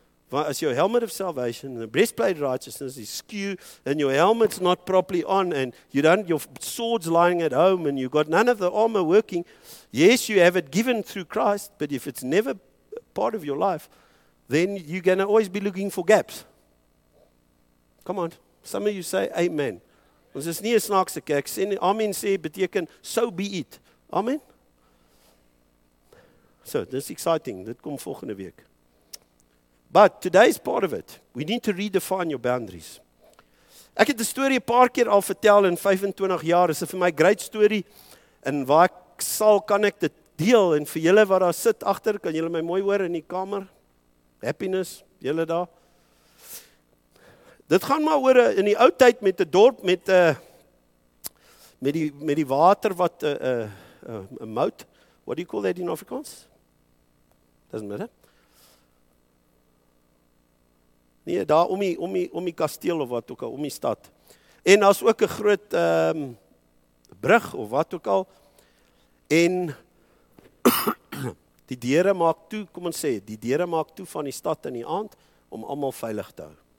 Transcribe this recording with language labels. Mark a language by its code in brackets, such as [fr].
[en] Want as your helmet of salvation, the breastplate of righteousness is skew, and your helmet's not properly on, and you don't, your sword's lying at home, and you've got none of the armor working, yes, you have it given through Christ, but if it's never part of your life, then you're going to always be looking for gaps. Come on. Some of you say, amen. [af] Ons is nie 'n snaakse kerk. Amen sê beteken, [en] so be it. [af] Amen. [en] So, this is exciting. [af] Dit kom volgende week. [en] But today is part of it. We need to redefine your boundaries. [af] Ek het die story 'n paar keer al vertel in 25 jaar. Dit is vir my great story. En waar ek sal, kan ek dit deel. En vir julle wat daar sit achter, kan julle my mooi hoor in die kamer. Happiness, julle daar. Dit gaan maar oor in die ou tyd met die dorp, met die water wat, moat, [en] what do you call that in Afrikaans? Doesn't matter. [af] Nee, daar om die kasteel of wat ook al, om die stad. En daar is ook een groot brug of wat ook al. En die deure maak toe, kom ons sê, die deure maak toe van die stad in die aand, om allemaal veilig te hou.